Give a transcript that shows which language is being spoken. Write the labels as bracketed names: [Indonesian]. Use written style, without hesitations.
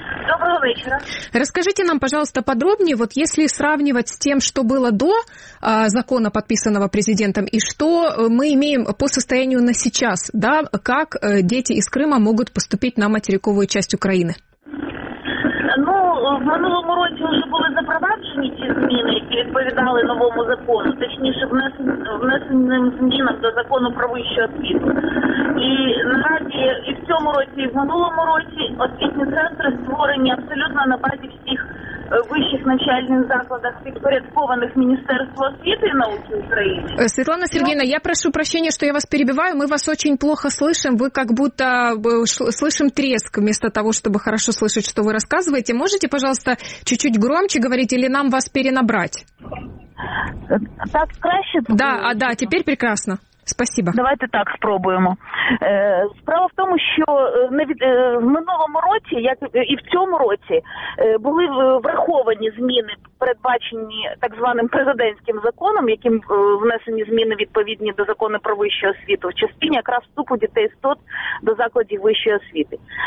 [Russian] Доброго вечера. Расскажите нам, пожалуйста, подробнее, вот если сравнивать с тем, что было до закона, подписанного президентом, и что мы имеем по состоянию на сейчас, да, как дети из Крыма могут поступить на материковую часть Украины? [Ukrainian] Ну, в минулому році уже були запроваджені ці зміни, які відповідали новому закону, точніше внесеним змінам до закону про вищу освіту. І наразі і в цьому році, і в минулому році освітні центри створені абсолютно на базі всіх вищих навчальних закладах, підпорядкованих Міністерству освіти і науки України. Світлана Сергійовна, я прошу прощення, що я вас перебиваю, ми вас дуже [Russian] плохо слышимо, [Ukrainian] ви як [Russian] будто слышим треск, вместо того, [Ukrainian] щоб [Russian] хорошо слышать, [Ukrainian] що ви розказуєте. [Russian] Можете, пожалуйста, чуть-чуть громче говорить или нам вас перенабрать? [Ukrainian] Так краще? [Russian] Да, а да, теперь прекрасно. Спасибо. [Ukrainian] Давайте так спробуємо. Справа в тому, що в минулому році, як і в цьому році, були враховані зміни, передбачені так званим президентським законом, яким внесені зміни відповідні до закону про вищу освіту, в частині якраз вступу дітей з ТОТ до закладів вищої освіти.